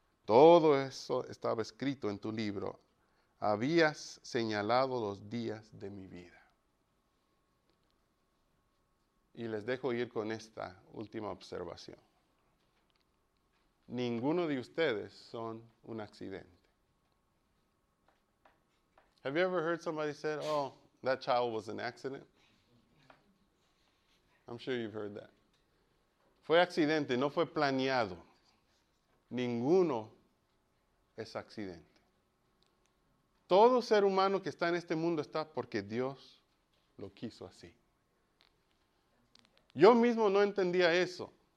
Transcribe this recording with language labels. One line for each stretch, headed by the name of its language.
Spanish: Todo eso estaba escrito en tu libro. Habías señalado los días de mi vida. Y les dejo ir con esta última observación. Ninguno de ustedes son un accidente.
English: Have you ever heard somebody say, oh, that child was an accident? I'm sure you've heard that.
Spanish: Fue accidente, no fue planeado. Ninguno es accidente. Todo ser humano que está en este mundo está porque Dios lo quiso así. Yo mismo no entendía eso.